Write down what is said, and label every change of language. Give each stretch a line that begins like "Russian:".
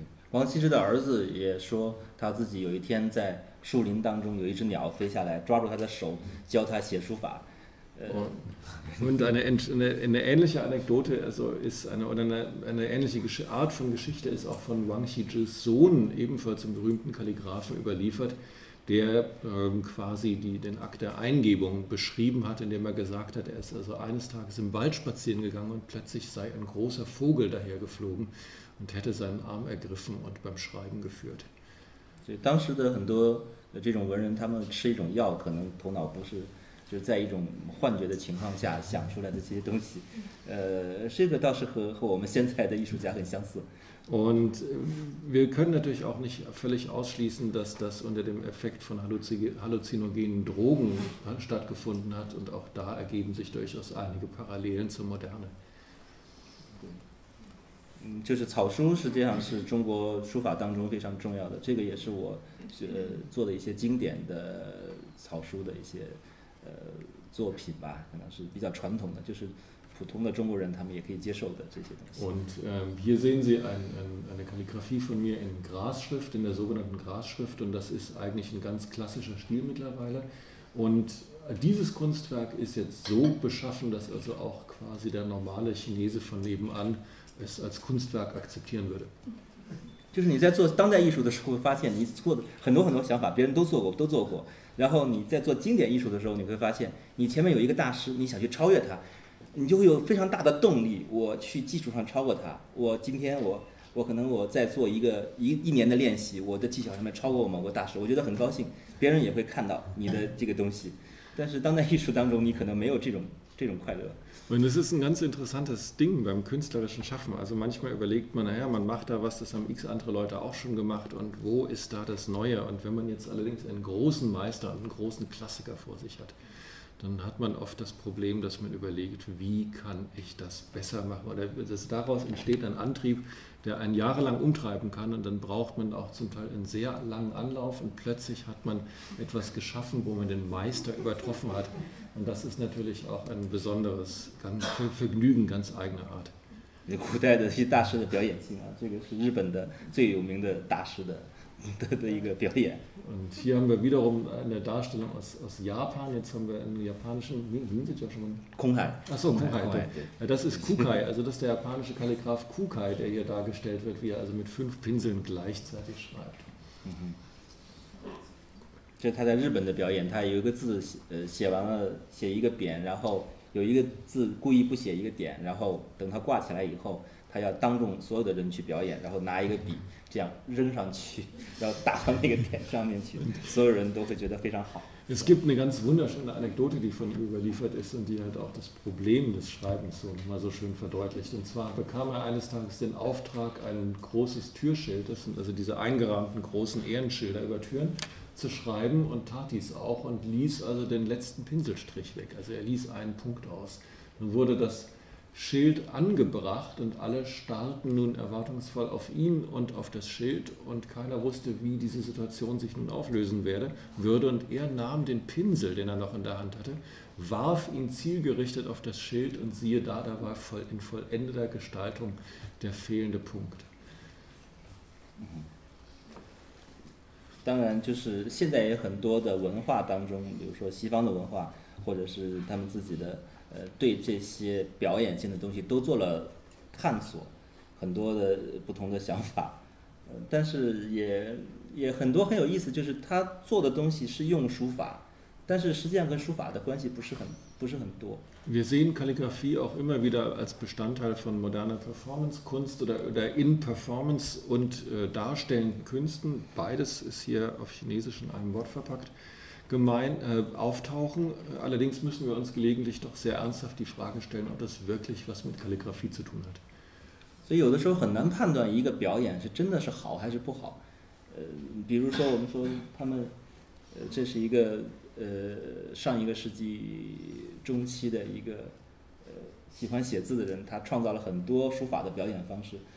Chinese: Wang Xizhi 的儿子也说他自己有一天在树林当中有一只鸟飞下来抓住他的手教他写书法。
German: Und eine ähnliche Anekdote, also ist eine ähnliche Art von Geschichte ist auch von Wang Xizhis Sohn, ebenfalls zum berühmten Kalligraphen, überliefert, der quasi den Akt der Eingebung beschrieben hat, indem er gesagt hat, er ist also eines Tages im Wald spazieren gegangen und plötzlich sei ein großer Vogel daher geflogen und hätte seinen Arm ergriffen und beim Schreiben geführt.
Chinese: 所以当时的很多这种文人他们吃一种药可能头脑不是就是在一种幻觉的情况下想出来的这些东西这个倒是和我们现在的艺术家很相似。
German: Und wir können natürlich auch nicht völlig ausschließen, dass das unter dem Effekt von halluzinogenen Drogen stattgefunden hat und auch da ergeben sich durchaus einige Parallelen zur Moderne.
Chinese: 就是草书实际上是中国书法当中非常重要的，这个也是我做的一些经典的草书的一些作品吧，可能是比较传统的，就是普通的中国人他们也可以接受的这些东西。
German: Und hier sehen Sie eine Kalligraphie von mir in Grasschrift, in der sogenannten Grasschrift, und das ist eigentlich ein ganz klassischer Stil mittlerweile. UndDieses Kunstwerk ist jetzt so beschaffen, dass also auch quasi der normale Chinese von nebenan es als Kunstwerk akzeptieren würde.
Chinese: 就是你在做当代艺术的时候，发现你做的很多很多想法，别人都做过。然后你在做经典艺术的时候，你会发现你前面有一个大师，你想去超越他，你就会有非常大的动力，我去技术上超过他。我今天我可能我在做一年的练习，我的技巧上面超过某个大师，我觉得很高兴，别人也会看到你的这个东西。但是当代艺术当中，你可能没有这种快乐。
German: Und es ist ein ganz interessantes Ding beim künstlerischen Schaffen. Also manchmal überlegt man, naja, man macht da was, das haben x andere Leute auch schon gemacht und wo ist da das Neue? Und wenn man jetzt allerdings einen großen Meister und einen großen Klassiker vor sich hat, dann hat man oft das Problem, dass man überlegt, wie kann ich das besser machen? Oder daraus entsteht ein Antrieb, der einen jahrelang umtreiben kann und dann braucht man auch zum Teil einen sehr langen Anlauf und plötzlich hat man etwas geschaffen, wo man den Meister übertroffen hat. Und das ist natürlich auch ein besonderes Vergnügen ganz eigener Art.
Chinese: Die 古代的一些大师的表演性啊，这个是日本的最有名的大师的的一个表演。
German: Und hier haben wir wiederum eine Darstellung aus, aus Japan. Jetzt haben wir einen japanischen, wie sieht es ja schon mal? Kunkai. Achso, Kunkai. Das ist Kukai, also das ist der japanische Kalligraf Kukai, der hier dargestellt wird, wie er also mit fünf Pinseln gleichzeitig schreibt. Das ist er in Japan der Bildung. Er hat eine Zeit,
Chinese: 写一个扁，然后有一个字故意不写一个点，然后等它挂起来以后，他要当众所有的人去表演，然后拿一个笔这样扔上去，然后打到那个点上面去，所有人都会觉得非常好。
German: Es gibt eine ganz wunderschöne Anekdote, die von ihm überliefert ist und die halt auch das Problem des Schreibens so nochmal so schön verdeutlicht. Und zwar bekam er eines Tages den Auftrag, ein großes Türschild, das sind also diese eingerahmten großen Ehrenschilder über Türen, zu schreiben und tat dies auch und ließ also den letzten Pinselstrich weg. Also er ließ einen Punkt aus. Dann wurde das Schild angebracht und alle starrten nun erwartungsvoll auf ihn und auf das Schild und keiner wusste, wie diese Situation sich nun auflösen würde. Und er nahm den Pinsel, den er noch in der Hand hatte, warf ihn zielgerichtet auf das Schild und siehe da, da war in vollendeter Gestaltung der fehlende Punkt.
Chinese: 当然就是现在也很多的文化当中，比如说西方的文化或者是他们自己的对这些表演性的东西都做了探索，很多的不同的想法，但是也很多很有意思，就是他做的东西是用书法，但是实际上跟书法的关系不是很多。
German: Wir sehen Kalligraphie auch immer wieder als Bestandteil von moderner Performance-Kunst oder in Performance- und darstellenden Künsten, beides ist hier auf Chinesisch in einem Wort verpackt, auftauchen. Allerdings müssen wir uns gelegentlich doch sehr ernsthaft die Frage stellen, ob das wirklich was mit Kalligraphie zu tun hat.
Chinese: 所以有的时候很难判断一个表演是真的是好还是不好。比如说我们说他们这是一个上一个世纪中期的一个喜欢写字的人，他创造了很多书法的表演方式。